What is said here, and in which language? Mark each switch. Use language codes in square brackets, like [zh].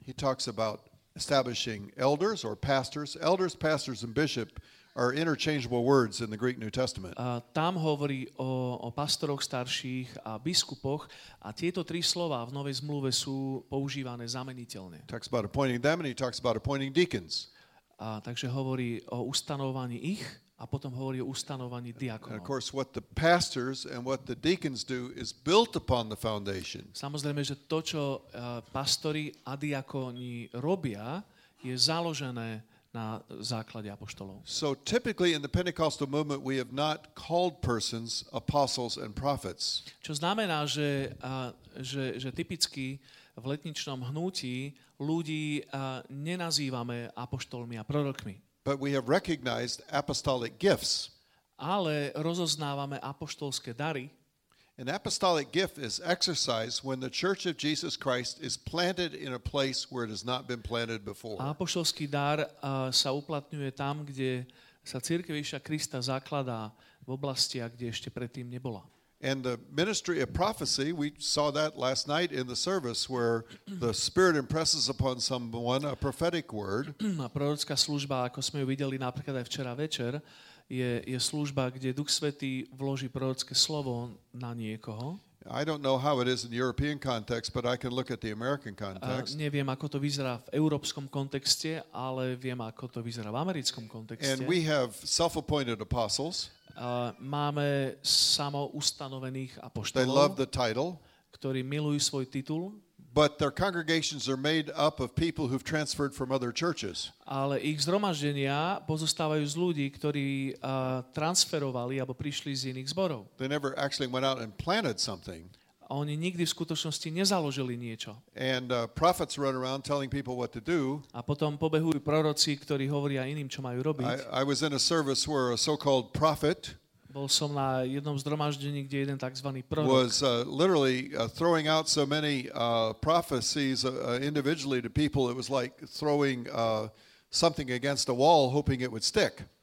[en] He talks about establishing elders or pastors. Elders, pastors and bishop are interchangeable words in the Greek New Testament. [sk] Tam hovorí o pastoroch, starších a biskupoch a tieto tri slová v Novej zmluve sú používané zameniteľne. [en] Talks about appointing them and he talks about appointing deacons. [sk] Takže hovorí o ustanovaní ich a potom hovorí o ustanovaní diakonov. [en] And of course what the pastors and what the deacons do is built upon the foundation. [sk] Samozrejme, že to, čo pastori a diakoni robia, je založené na základe apoštolov. [en] So typically in the Pentecostal movement we have not called persons apostles and prophets. [sk] Čo znamená, že typicky v letničnom hnutí ľudí nenazývame apoštolmi a prorokmi. [en] But we have recognized apostolic gifts. [sk] Ale rozoznávame apoštolské dary. [en] An apostolic gift is exercised when the church of Jesus Christ is planted in a place where it has not been planted before. [sk] Apoštolský dar sa uplatňuje tam, kde sa cirkev Ježiša Krista zakladá v oblasti, kde ešte predtým nebola. [en] And the ministry of prophecy, we saw that last night in the service where the Spirit impresses upon someone a prophetic word. [sk] A prorocká služba, ako sme ju videli napríklad aj včera večer, je služba, kde Duch Svätý vloží prorocké slovo na niekoho. [en] I don't know how it is in European context, but I can look at the American context. [sk] Neviem, ako to vyzerá v európskom kontexte, ale viem, ako to vyzerá v americkom kontexte. [en] And we have self-appointed apostles. [sk] Máme samoustanovených apoštolov. [en] They love the title. [sk] Ktorí milujú svoj titul. [en] But their congregations are made up of people who've transferred from other churches. [sk] Ale ich zhromaždenia pozostávajú z ľudí, ktorí transferovali alebo prišli z iných zborov. [en] They never actually went out and planted something. [sk] Oni nikdy v skutočnosti nezaložili niečo. [en] And prophets run around telling people what to do. [sk] A potom pobehujú proroci, ktorí hovoria iným, čo majú robiť. [en] I was in a service where a so-called prophet [sk] bol som na jednom zhromaždení, kde jeden takzvaný prorok [en] was literally throwing out so many prophecies individually to people, it was like throwing something against a wall hoping it would stick.